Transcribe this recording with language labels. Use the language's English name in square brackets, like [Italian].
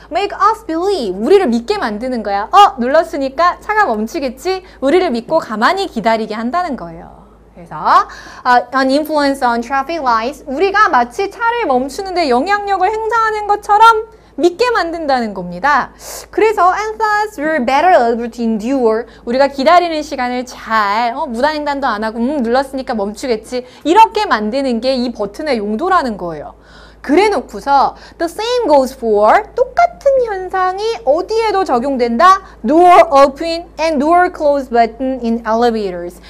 [English] Make us believe. [Korean] 우리를 믿게 만드는 거야. 눌렀으니까 차가 멈추겠지? 우리를 믿고 가만히 기다리게 한다는 거예요. [English] 그래서 an influence on traffic lights. [Korean] 우리가 마치 차를 멈추는데 영향력을 행사하는 것처럼 믿게 만든다는 겁니다. [English] 그래서 and thus we're better able to endure. [Korean] 우리가 기다리는 시간을 잘 무단횡단도 안 하고 눌렀으니까 멈추겠지 이렇게 만드는 게 이 버튼의 용도라는 거예요. 그래 놓고서 [English] the same goes for [Korean] 똑같은 현상이 어디에도 적용된다. [English] Door open and door close button in elevators.